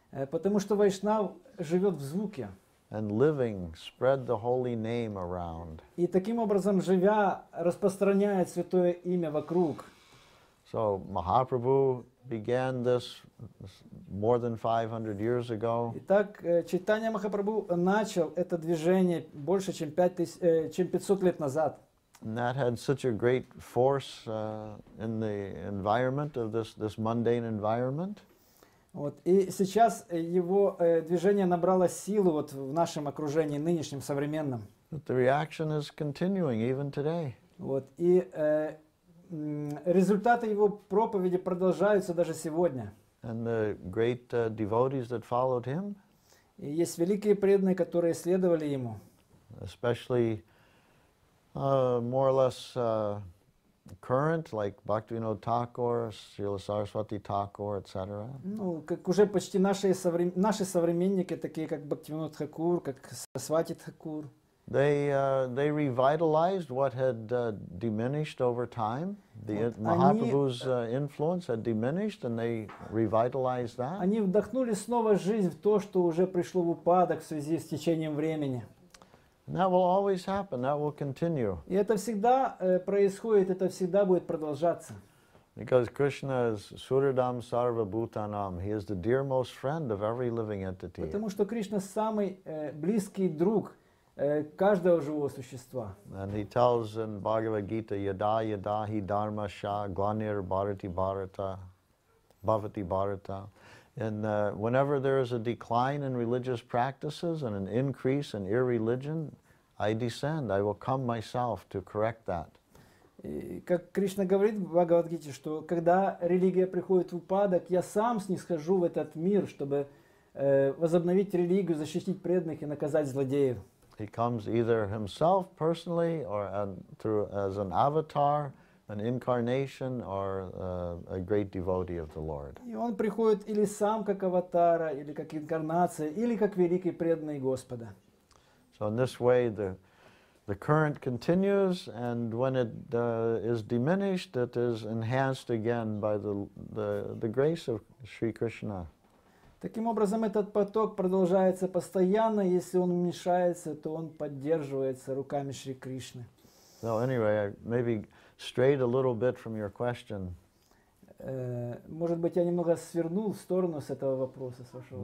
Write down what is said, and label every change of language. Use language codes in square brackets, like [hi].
[ru] Потому что Вайшнав живет в звуке. [en] And living, spread the holy name around. [ru] И таким образом, живя, распространяет святое имя вокруг. [en] So Mahaprabhu began this more than 500 years ago. [ru] Итак, читание Махапрабху начал это движение больше чем 500 лет назад. [en] And that had such a great force in the environment of this mundane environment. [ru] Вот, и сейчас его движение набрало силу вот в нашем окружении нынешнем современном. [en] But the reaction is continuing even today. [ru] Вот, и результаты его проповеди продолжаются даже сегодня. [en] And the great devotees that followed him. [ru] И есть великие преданные, которые следовали ему. [en] Especially more or less current, like Bhaktivinoda Thakur, Srila Saraswati Thakur, etc. [ru] Ну, как уже почти наши современники, такие как Бхактивинода Тхакур, как Сарасвати Тхакур. [en] They revitalized what had diminished over time. The Mahaprabhu's influence had diminished, and they revitalized that. [ru] Они вдохнули снова жизнь в то, что уже пришло в упадок в связи с течением времени. [en] And that will always happen. That will continue. [ru] И это всегда происходит. Это всегда будет продолжаться. [en] Because Krishna is [sa] Surdam Sarva Bhutanam, [en] He is the dearmost friend of every living entity. [ru] Потому что Кришна самый близкий друг каждого живого существа. [en] And he tells in Bhagavad Gita, [sa] yada yada hi dharma sha glanir bharati bharata bhavati bharata. [en] And whenever there is a decline in religious practices and an increase in irreligion, I descend, I will come myself to correct that. [ru] И как Кришна говорит в Бхагавад Гите, что когда религия приходит в упадок, я сам снисхожу в этот мир, чтобы возобновить религию, защитить преданных и наказать злодеев. [en] He comes either himself personally or through as an avatar, an incarnation, or a great devotee of the Lord. [ru] И он приходит или сам как аватара, или как инкарнация, или как великий преданный Господа. [en] So in this way, the current continues, and when it is diminished, it is enhanced again by the grace of Sri Krishna. [ru] Таким образом, этот поток продолжается постоянно. Если он уменьшается, то он поддерживается руками Шри Кришны. [en] So anyway, I maybe strayed a little bit from your question. [ru] Может быть, я немного свернул в сторону с этого вопроса, с вашего.